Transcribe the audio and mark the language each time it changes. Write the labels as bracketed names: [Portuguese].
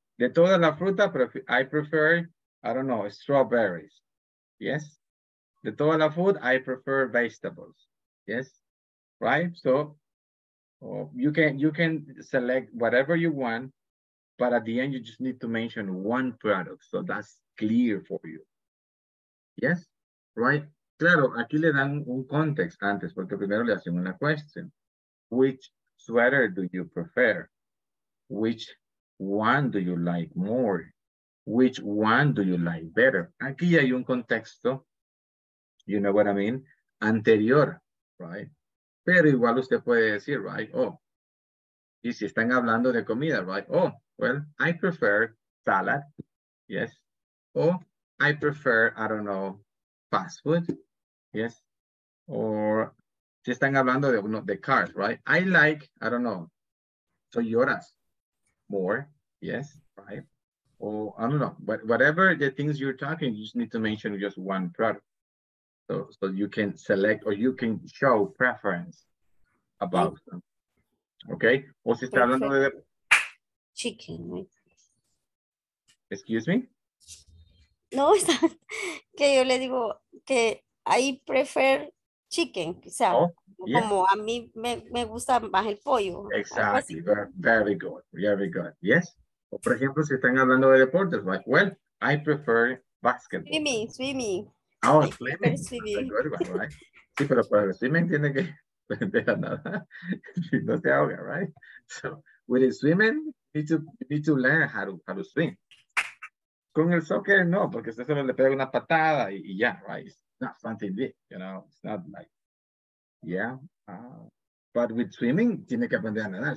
[Spanish] De toda la fruta, [English] I prefer, I don't know, strawberries. Yes? [Spanish] De toda la [English] food, I prefer vegetables. Yes? Right? So you can select whatever you want, but at the end, you just need to mention one product. So that's clear for you. Yes? Right? [Spanish] Claro, aquí le dan un context antes, porque primero le hacen una question. [English] Which sweater do you prefer? Which one do you like more? Which one do you like better? [Spanish] Aquí hay un contexto, [English] you know what I mean? [Spanish] Anterior, right? Pero igual usted puede decir, right? Oh, y si están hablando de comida, right? [English] Oh, well, I prefer salad, yes? Oh, I prefer, I don't know, fast food, yes? [Spanish] Or, si están hablando de, no, de cars, right? [English] I like, I don't know, Toyotas more, yes, right? Or, I don't know, but whatever the things you're talking, you just need to mention just one product. So you can select or you can show preference about them. [Spanish] Okay? O si está hablando de... [English] Chicken. Excuse me? [Spanish] No, está... que yo le digo que [English] I prefer chicken, [Spanish] quizá. Oh. Yes. Como a mí me gusta más el pollo. [English] Exactly. Very good. Very good. Yes. [Spanish] O por ejemplo, si están hablando de deportes, right? [English] Well, I prefer basketball. Swimming. Oh, swimming. [Spanish] Right? Sí, pero para el swimming tiene que vender nada. No te ahoga, right? [English] So, with the swimming, you need to learn how to swim. [Spanish] Con el soccer, no, porque usted solo le pega una patada y ya, right? [English] It's not something big, you know? It's not like... Yeah, but with swimming, [Spanish] tiene que aprender a nadar.